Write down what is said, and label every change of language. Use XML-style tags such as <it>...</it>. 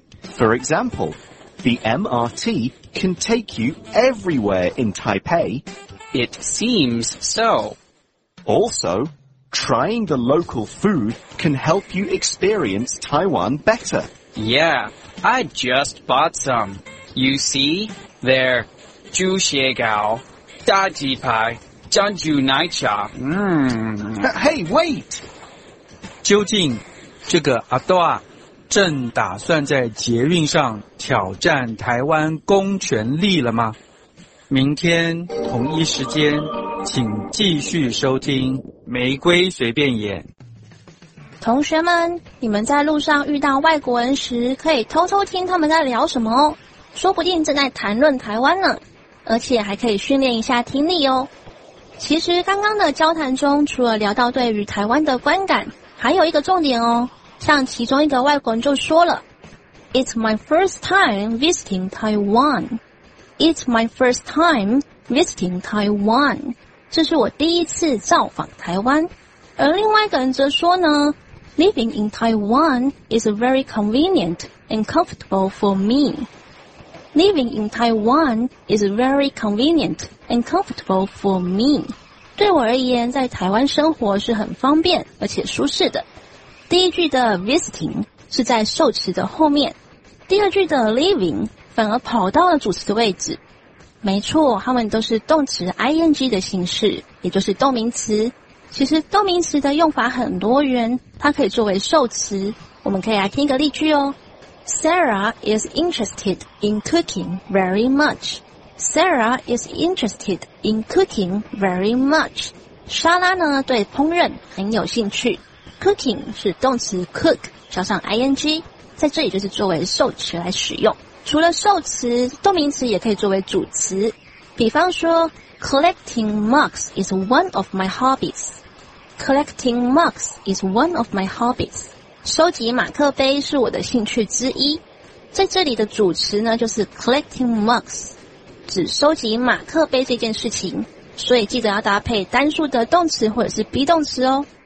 <en>For example, the MRT can take you everywhere in Taipei. It seems so. Also, trying the local food can help you experience Taiwan better. Yeah, I just bought some. You see, they're</en> <zh>猪血糕大鸡排珍珠奶茶</zh> <en>Hey, wait!</en> <zh>究竟这个阿多正打算在捷运上挑战台湾公权力了吗？明天同一时间，请继续收听《玫瑰随便演》。同学们，你们在路上遇到外国人时，可以偷偷听他们在聊什么哦，说不定正在谈论台湾呢，而且还可以训练一下听力哦。其实刚刚的交谈中，除了聊到对于台湾的观感，还有一个重点哦。像其中一个外国人就说了</zh> <en>It's my first time visiting Taiwan. It's my first time visiting Taiwan.</en> <zh>这是我第一次造访台湾。而另外一个人则说呢</zh> <en>Living in Taiwan is very convenient and comfortable for me. Living in Taiwan is very convenient and comfortable for me.</en> <zh>对我而言，在台湾生活是很方便而且舒适的。第一句的 visiting 是在受词的后面，第二句的 living 反而跑到了主词的位置。没错，它们都是动词 ing 的形式，也就是动名词。其实动名词的用法很多元，它可以作为受词。我们可以来听一个例句哦。</zh> <en>Sarah is interested in cooking very much. Sarah is interested in cooking very much.</en> <zh>莎拉呢，对烹饪很有兴趣。 Cooking 是动词 cook 加上 ing， 在这里就是作为受词来使用。除了受词，动名词也可以作为主词。比方说</zh> <en>，Collecting mugs is one of my hobbies. Collecting mugs is one of my hobbies.</en> <zh>收集马克杯是我的兴趣之一。在这里的主词呢，就是 collecting mugs， 指收集马克杯这件事情。所以记得要搭配单数的动词或者是 be 动词哦。</zh>